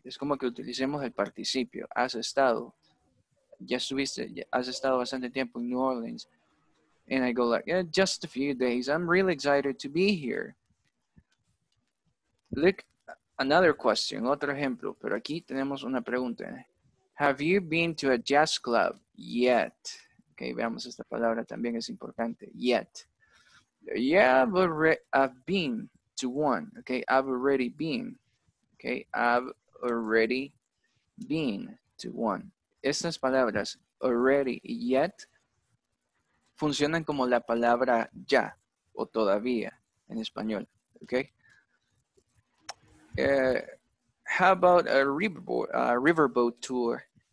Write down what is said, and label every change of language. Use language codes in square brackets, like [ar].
[es] Es como que utilicemos el participio, has estado. Ya estuviste, has estado bastante tiempo in New Orleans. [en] And I go like, yeah, just a few days. I'm really excited to be here. Look, another question, [es] otro ejemplo, pero aquí tenemos una pregunta. [en] Have you been to a jazz club yet? [es] Okay, veamos esta palabra también es importante, yet. [en] Yeah, but I've been. To one, okay, I've already been, okay, I've already been to one. [es] Estas palabras, already, yet, funcionan como la palabra ya, o todavía, en español, okay? [en] How about a riverboat tour?